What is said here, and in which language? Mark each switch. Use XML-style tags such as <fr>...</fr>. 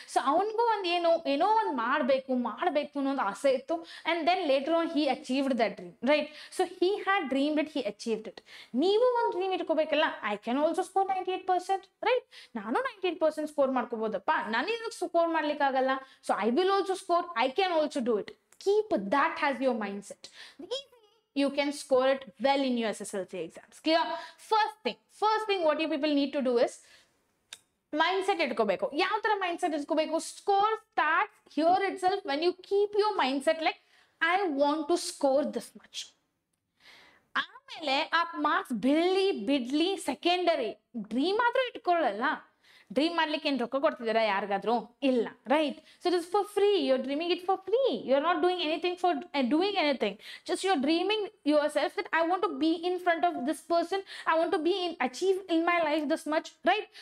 <kn>So ಅವನಿಗೂ ಒಂದು ಏನೋ ಒಂದು ಮಾಡಬೇಕು ಅನ್ನೋದು ಆಸೆ ಇತ್ತು,</kn> <en>And then later on he achieved the dream right. So he had dream it, he achieved it.</en> <kn>ನೀವು ಒಂದು dream ಇಟ್ಕೋಬೇಕಲ್ಲ,</kn> <en>I can also score 98% right.</en> <kn>ನಾನು 98% ಸ್ಕೋರ್ ಮಾಡ್ಕೋಬೋದಪ್ಪ, ನಾನು ಇದಕ್ಕೆ score ಮಾಡ್ಲಿಕ್ಕಾಗಲ್ಲ.</kn> <en>So I will also score, I can also do it. Keep that as your mindset. Easily you can score it well in your SSLC exams. Clear? First thing what you people need to do is</en> <kn>mindset ಇಟ್ಕೋಬೇಕು. ಯಾವ ಥರ mindset ಇಟ್ಕೋಬೇಕು?</kn> <en>Score start here itself when you keep your mindset like I want to score this much.</en> <kn>ಆಮೇಲೆ ಆ marks ಬಿಡ್ಲಿ ಬಿಡ್ಲಿ secondary, dream ಆದರೂ ಇಟ್ಕೊಳ್ಳಲ್ಲ. Dream ಮಾಡ್ಲಿಕ್ಕೆ ಏನು ರೊಕ್ಕ ಕೊಡ್ತಿದ್ದೀರಾ ಯಾರಿಗಾದ್ರೂ? ಇಲ್ಲ</kn> <en>Right. So it is for free, you are dreaming it for free, you are not doing anything for doing anything, just you are dreaming yourself that I want to be in front of this person, I want to be in achieve in my life this much right.</en>